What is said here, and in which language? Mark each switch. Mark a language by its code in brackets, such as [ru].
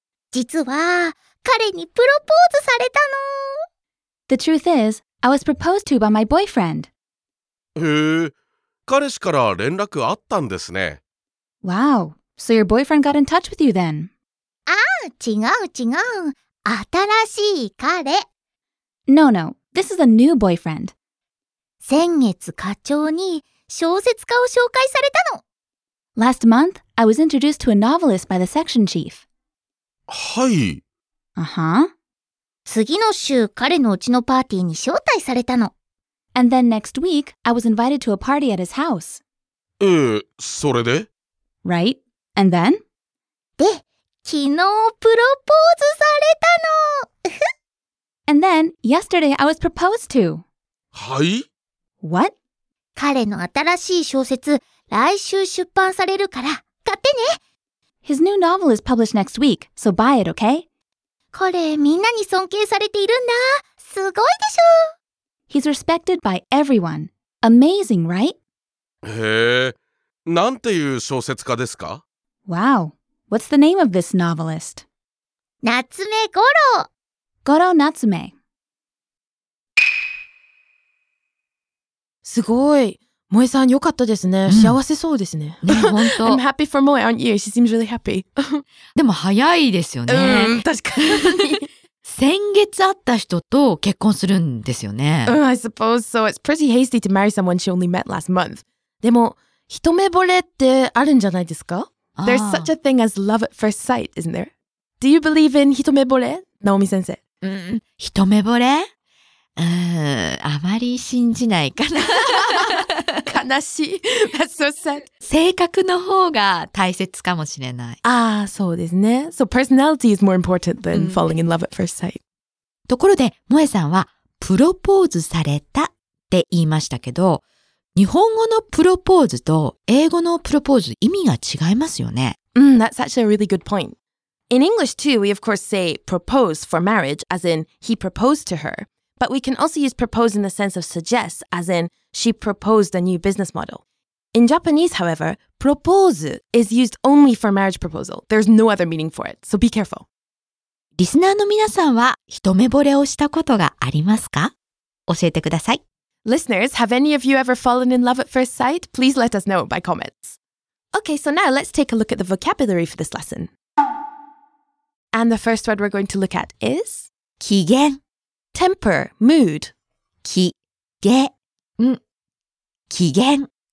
[ja] 実は彼にプロポーズされたの。 [en] The truth is, I was proposed to by my boyfriend. [ja] へえ、彼氏から連絡あったんですね。 [en] Wow, so your boyfriend got in touch with you then? [ja] ああ、違う違う。新しい彼。 [en] No, no. This is a new boyfriend. [ja] 先月課長に小説家を紹介されたの。 [en] Last month, I was introduced to a novelist by the section chief. [ja] はい。次の週、彼のうちのパーティーに招待されたの。 [en] And then next week, I was invited to a party at his house. [ja] それで? [en] Right. And then? [ja] で、昨日プロポーズされたの。 [en] And then, yesterday, I was proposed to. [ja] はい? [en] What? [ja] 彼の新しい小説、来週出版されるから、買ってね。 [en] His new novel is published next week, so buy it, okay? [ja] 彼、みんなに尊敬されているんだ。すごいでしょ。 [en] He's respected by everyone. Amazing, right? [ja] へえ、なんていう小説家ですか? [en] Wow, what's the name of this novelist? [ja] 夏目五郎。五郎夏目。すごい。萌えさん、よかったですね。幸せそうですね。ね、ほんと。 [en] I'm happy for Moe, aren't you? She seems really happy. [ja] でも、早いですよね。確かに。先月会った人と結婚するんですよね。 [en] I suppose so. It's pretty hasty to marry someone she only met last month. [ja] でも、一目惚れってあるんじゃないですか? [en] There's such a thing as love at first sight, isn't there? Do you believe in 一目惚れ、直美先生。 [ja] 一目惚れ?あまり信じないかな。悲しい。 [en] That's so sad. [ja] 性格の方が大切かもしれない。ああ、そうですね。 [en] So personality is more important than falling in love at first sight. [ja] ところで、萌えさんはプロポーズされたって言いましたけど、日本語のプロポーズと英語のプロポーズ意味が違いますよね。 [en] That's actually a really good point. In English too, we of course say propose for marriage, as in he proposed to her. But we can also use propose in the sense of suggest, as in she proposed a new business model. In Japanese, however, propose is used only for marriage proposal. There's no other meaning for it. So be careful. [ja] リスナーの皆さんは一目惚れをしたことがありますか? 教えてください。 [en] Listeners, have any of you ever fallen in love at first sight? Please let us know by comments. Okay, so now let's take a look at the vocabulary for this lesson. And the first word we're going to look at is... [ja] 機嫌。 [en] Temper, mood. [ja] 機嫌。機嫌。